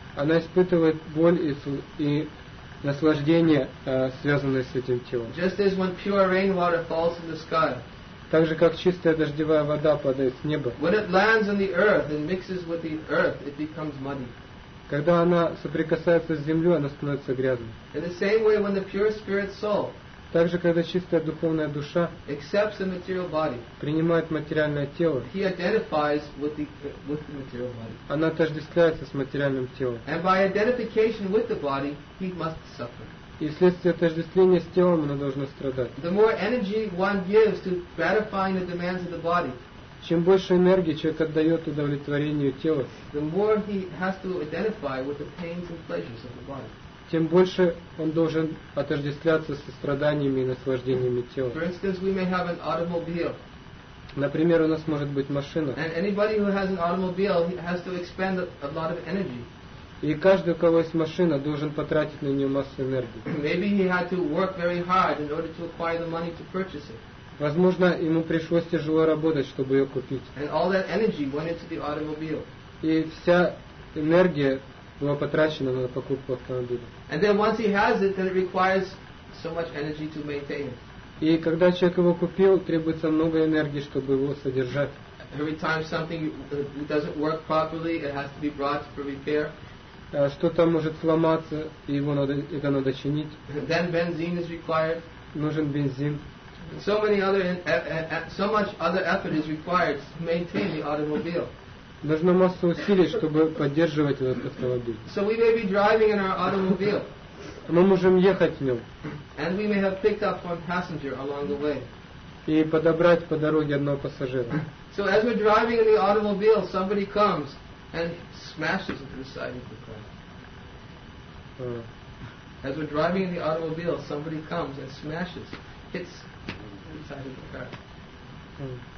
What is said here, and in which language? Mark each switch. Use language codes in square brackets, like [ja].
[ru] Она испытывает боль и наслаждение, связанное с этим телом. [en] Just as when pure rainwater falls in the sky, [ru] Так же, как чистая дождевая вода падает с неба. [en] When it lands on the earth and mixes with the earth, it becomes muddy. [ru] Когда она соприкасается с землей, она становится грязной. [en] In the same way, when the pure spirit soul, [ru] так же, когда чистая духовная душа [en] accepts the material body, [ru] принимает материальное тело, [en] he identifies with the material body. [ru] Она отождествляется с материальным телом. [en] And by identification with the body, he must suffer. [ru] И вследствие отождествления с телом она должна страдать. [en] The more energy one gives to gratifying the demands of the body, [ru] чем больше энергии человек отдает удовлетворению тела, [en] the more he has to identify with the pains and pleasures of the body, [ru] тем больше он должен отождествляться со страданиями и наслаждениями тела. [en] For instance, we may have an automobile. [ru] Например, у нас может быть машина. [en] And anybody who has an automobile has to expend a lot of energy. [ru] И каждый, у кого есть машина, должен потратить на нее массу энергии. [en] Maybe he had to work very hard in order to acquire the money to purchase it. [ru] Возможно, ему пришлось тяжело работать, чтобы ее купить. [en] And all that energy went into the automobile. [ru] И вся энергия была потрачена на покупку автомобиля. [en] And then once he has it, then it requires so much energy to maintain it. [ru] И когда человек его купил, требуется много энергии, чтобы его содержать. [en] Every time something doesn't work properly, it has to be brought for repair. [ru] Что-то может сломаться, и его надо, это надо чинить. [en] Then benzene is required. [ru] Нужен бензин. [en] So many other, so much other effort is required to maintain the automobile. [ru] Нужна масса усилий, чтобы поддерживать этот автомобиль. [en] So we may be driving in our automobile. [ru] Мы можем ехать в нем. [en] And we may have picked up one passenger along the way. [ru] И подобрать по дороге одного пассажира. [en] So as we're driving in the automobile, somebody comes and smashes into the side of the car. As we're driving in the automobile, somebody comes and smashes, hits inside of the car.